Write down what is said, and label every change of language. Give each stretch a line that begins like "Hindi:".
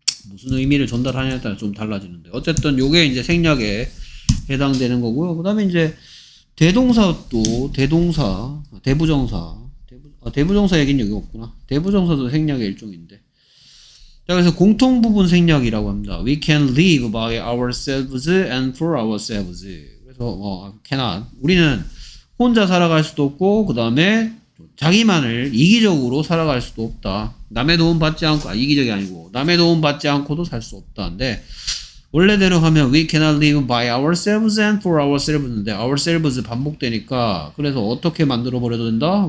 Korean: 무슨 의미를 전달하냐에 따라 좀 달라지는데 어쨌든 요게 이제 생략에 해당되는 거고요. 그 다음에 이제 대동사도 대동사 대부정사 대부정사 얘기는 여기 없구나. 대부정사도 생략의 일종인데 자 그래서 공통 부분 생략이라고 합니다.
English: We can live by ourselves and for ourselves.
Korean: 그래서 뭐 cannot. 우리는 혼자 살아갈 수도 없고 그 다음에 자기만을 이기적으로 살아갈 수도 없다. 남의 도움 받지 않고 아, 이기적이 아니고 남의 도움 받지 않고도 살 수 없다는데 원래대로 하면
English: we cannot live by ourselves and for ourselves
Korean: 인데 ourselves 반복되니까 그래서 어떻게 만들어 버려도 된다.